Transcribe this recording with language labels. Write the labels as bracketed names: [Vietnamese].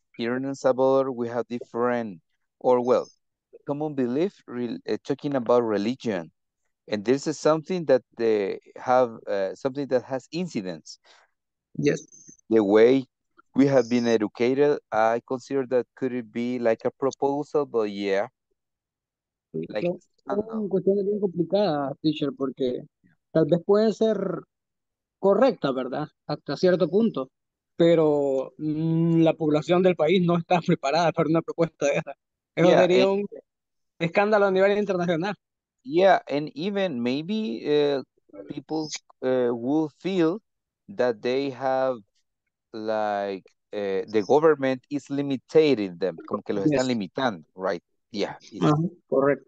[English] Here in El Salvador, we have different, or well, common belief talking about religion. And this is something that they have, something that has incidence. Yes. The way we have been educated, I consider that could it be like a proposal, but yeah. [Spanish] Like, una cuestión bien complicada, teacher, porque tal vez puede ser correcta, ¿verdad? Hasta cierto punto. Pero la población del país no está preparada para una propuesta de esa. Eso sería un escándalo a nivel internacional. [English] Yeah, and even maybe people will feel that they have, like, the government is limiting them, como que los están limitando, right? Yeah. Correct.